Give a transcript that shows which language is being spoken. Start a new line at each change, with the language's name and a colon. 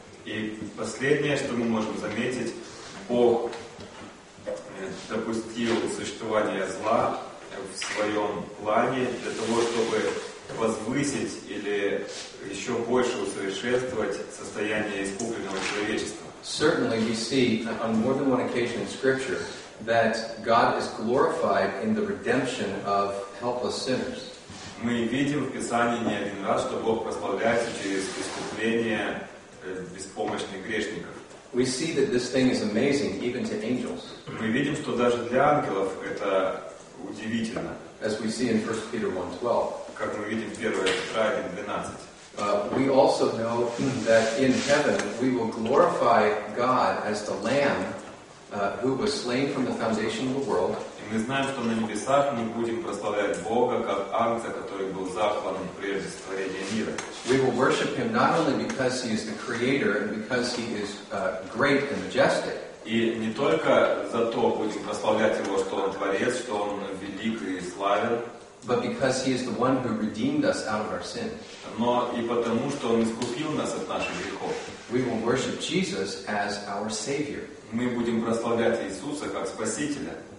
Russian: И последнее, что мы можем заметить, Бог допустил существование зла в своем плане для того, чтобы возвысить или еще больше усовершенствовать состояние искупленного человечества.
English: Certainly we see on more than one occasion in Scripture that God is glorified in the redemption of helpless sinners.
Russian: Мы видим в Писании не один раз, что Бог прославляется через искупление беспомощных грешников.
English: We see that this thing is amazing even to angels.
Russian: Мы видим, что даже для ангелов это удивительно.
English: As we see in 1 Peter 1:12.
Russian: Как мы видим в 1 Петра 1:12.
English: We also know that in heaven we will glorify God as the Lamb who was slain from the foundation of the world.
Russian: И мы знаем, что на небесах мы будем прославлять Бога как Агнца, который был заклан прежде сотворения мира.
English: We will worship him not only because he is the creator and because he is great and majestic.
Russian: И не только за то будем прославлять его, что он творец, что он велик и славен.
English: But because he is the one who redeemed us out of our sin.
Russian: Но и потому, что он искупил нас от наших грехов.
English: We will worship Jesus as our Savior.
Russian: Мы будем прославлять Иисуса как Спасителя.